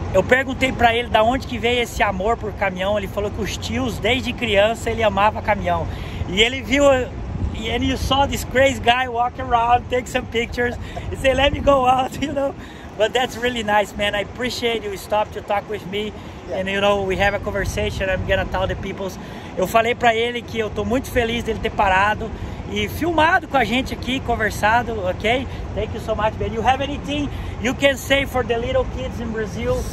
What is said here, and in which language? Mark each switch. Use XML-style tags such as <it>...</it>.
<pt>Eu perguntei pra ele da onde que veio esse amor por caminhão. Ele falou que os tios, desde criança, ele amava caminhão. E ele viu,</pt> <en>and you saw this crazy guy walk around, take some pictures. He said, let me go out, you know. But that's really nice, man. I appreciate you stop to talk with me. Yeah. And, you know, we have a conversation. I'm gonna tell the people.</en> <pt>Eu falei pra ele que eu tô muito feliz dele ter parado e filmado com a gente aqui, conversado, ok?</pt> <en>Thank you so much, man. You have anything you can say for the little kids in Brazil?</en>